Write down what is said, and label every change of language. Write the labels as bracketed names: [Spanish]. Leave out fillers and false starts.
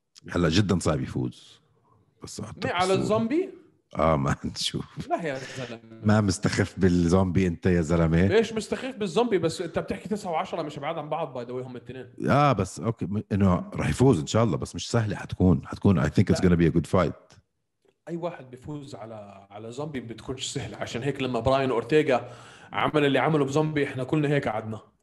[Arabic] هلا جدا صعب يفوز. بس على الزومبي؟ ما نشوف. لا يا زلمة. ما مستخف بالزومبي أنت يا زلمة. ليش مستخف بالزومبي؟ بس أنت بتحكي 9-10 مش بعاد عن بعض بايدوي هم الاثنين. بس أوكي إنه راح يفوز إن شاء الله، بس مش سهلة حتكون. [English] I think it's gonna be a good fight. [Arabic] أي واحد بيفوز على زومبي بتكونش سهلة، عشان هيك لما براين أورتيغا عمل اللي عمله بزومبي إحنا كلنا هيك عدنا.